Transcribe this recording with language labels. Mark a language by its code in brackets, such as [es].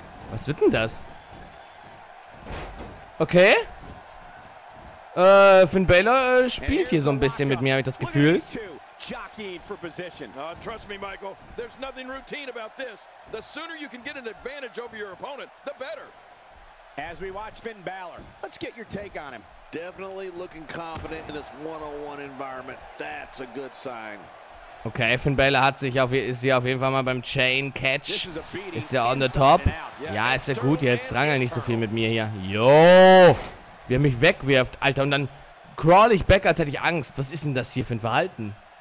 [de] Was wird denn das? Okay. Finn Balor spielt hier so ein bisschen mit mir, habe ich das Gefühl. [en] Jockeying for position. Trust me, Michael. There's nothing routine about this. The sooner you can get an advantage over your opponent, the better. As we watch Finn Balor, let's get your take on him. Definitely looking confident in this one-on-one environment. That's a good sign. [de] Okay, Finn Balor hat sich auf, ist ja auf jeden Fall mal beim Chain Catch. Ist ja [en] on the top. [de] Ja, ist ja gut. Jetzt rangel nicht so viel mit mir hier. Jo! Wie er mich wegwirft, Alter. Und dann crawl ich back, als hätte ich Angst. Was ist denn das hier für ein Verhalten?